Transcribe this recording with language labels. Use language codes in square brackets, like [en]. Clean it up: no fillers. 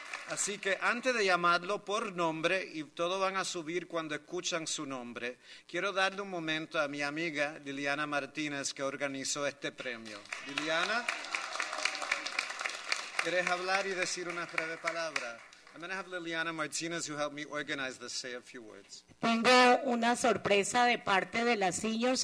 [es] Así que antes de llamarlo por nombre, y todos van a subir cuando escuchan su nombre, quiero darle un momento a mi amiga Liliana Martínez, que organizó este premio. Liliana, ¿quieres hablar y decir una breve palabra? [en] I'm going to have Liliana Martínez, who helped me organize this, say a few words. [es] Tengo una sorpresa de parte de las seniors.